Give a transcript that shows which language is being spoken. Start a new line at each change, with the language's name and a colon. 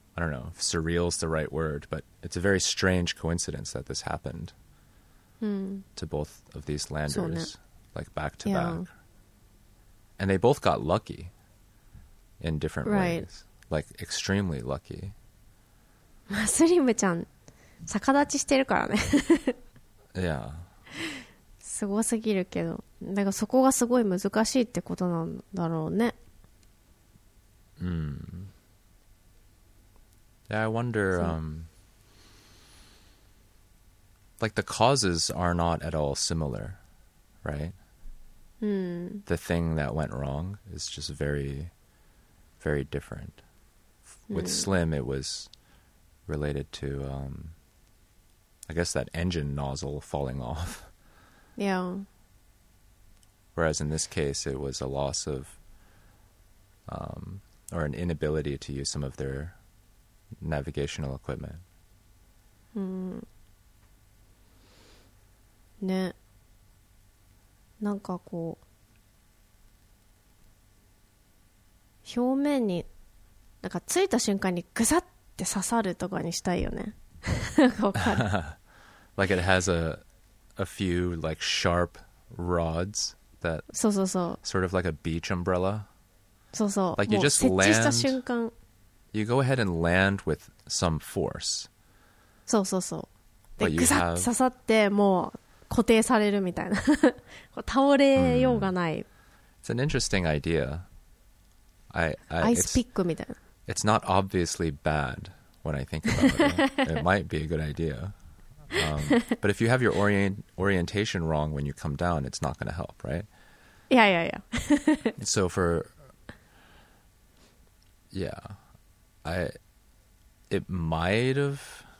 English: I don't know if surreal is the right word, but it's a very strange coincidence that this happened to both of these landers, like back to back. And they both got lucky in different ways, like extremely lucky.
Japanese: スリムちゃん逆立ちしてるからね。
English: Yeah.
Japanese: すごすぎるけど、だからそこがすごい難しいってことなんだろうね。
English: Yeah, I wonder, like the causes are not at all similar, right? The thing that went wrong is just very, very different. With Slim, it was related to, I guess, that engine nozzle falling off. Yeah. Whereas in this case, it was a loss of, or an inability to use some of their navigational equipment.
Japanese: ね、なんかこう表面になんかついた瞬間にグサッて刺さるとかにしたいよね。わかる。
English: Like it has a few like sharp rods that
Japanese: そうそうそう
English: sort of like a beach umbrella.
Japanese: そうそう。
English: Like you just land. You go ahead and land with some force.
Japanese: そうそうそう。で、グサッ刺さってもう固定されるみたいな。倒れようがない。
English: It's an interesting idea.
Japanese: アイスピックみたいな。
English: It's not obviously bad when I think about it. It might be a good idea. But if you have your orientation wrong when you come down, it's not going to help, right? Yeah, yeah, yeah. So for... Yeah. It might have.